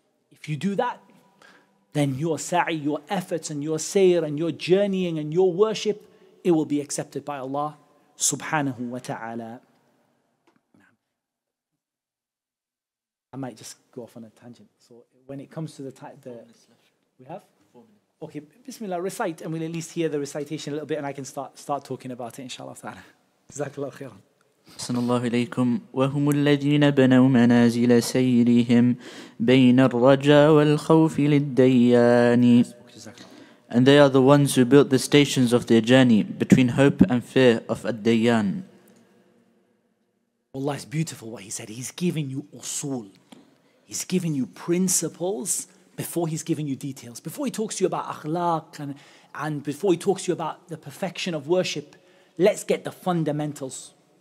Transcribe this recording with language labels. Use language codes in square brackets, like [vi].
[en] If you do that, then your sa'i, your efforts and your sayr and your journeying and your worship, it will be accepted by Allah subhanahu wa ta'ala. I might just go off on a tangent. So when it comes to the we have 4 minutes. Okay, Bismillah, recite, and we'll at least hear the recitation a little bit, and I can start talking about it, inshallah ta'ala. [ar] Jazakallah khairan. صلى الله عليكم وهم الذين بنوا منازل سيرهم بين الرجاء والخوف للديان. [en] And they are the ones who built the stations of their journey between hope and fear of ad-dayyan. Allah, is beautiful what he said. He's giving you usul. He's giving you principles before he's giving you details. Before he talks to you about akhlaq and before he talks to you about the perfection of worship, let's get the fundamentals.